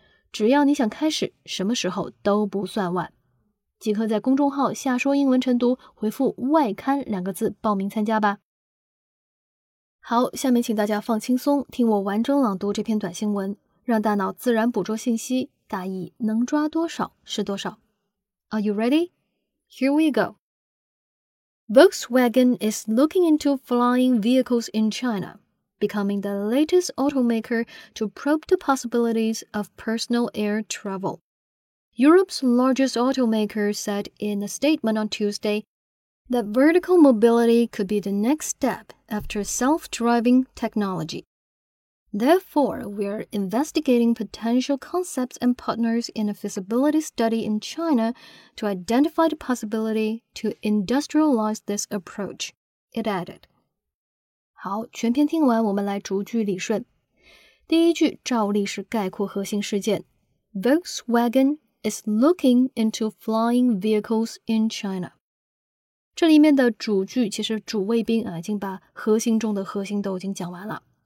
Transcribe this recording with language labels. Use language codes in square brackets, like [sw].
[zh] 只要你想开始，什么时候都不算晚。即刻在公众号下说英文晨读回复外刊两个字报名参加吧。好，下面请大家放轻松，听我完整朗读这篇短新闻，让大脑自然捕捉信息，大意能抓多少是多少。 [en] Are you ready? Here we go. Volkswagen is looking into flying vehicles in China, becoming the latest automaker to probe the possibilities of personal air travel. Europe's largest automaker said in a statement on Tuesday,that vertical mobility could be the next step after self-driving technology. Therefore, we are investigating potential concepts and partners in a feasibility study in China to identify the possibility to industrialize this approach, it added. [zh] 好，全篇听完，我们来逐句理顺。第一句照例是概括核心事件。 [en] Volkswagen is looking into flying vehicles in China. [zh] 这里面的主句其实主谓宾已经把核心中的核心都已经讲完了。